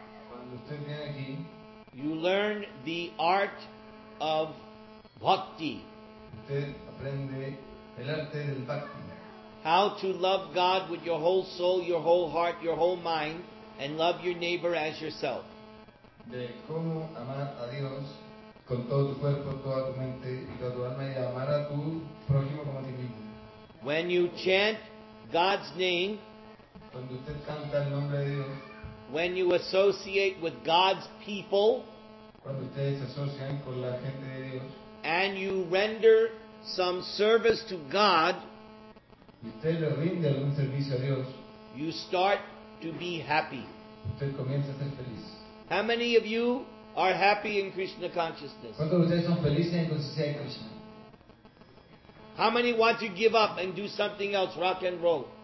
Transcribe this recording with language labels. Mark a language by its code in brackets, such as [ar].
[es] cuando usted viene aquí, [en] you learn the art of bhakti. [es] Usted aprende el arte del bhakti. [en] How to love God with your whole soul, your whole heart, your whole mind, and love your neighbor as yourself. [es] De cómo amar a Dios con todo tu cuerpo, toda tu mente y toda tu alma, y amar a tu prójimo como a ti mismo. [en] When you chant God's name, [es] cuando usted canta el nombre de Dios, [en] when you associate with God's people, [es] cuando ustedes se asocian con la gente de Dios, [en] and you render some service to God, [es] y usted le rinde algún servicio a Dios, [en] you start to be happy. [es] Usted comienza a ser feliz. [en] How many of you are happy in Krishna consciousness? [es] ¿Cuántos de ustedes son felices en conciencia de Krishna? [en] How many want to give up and do something else, rock and roll?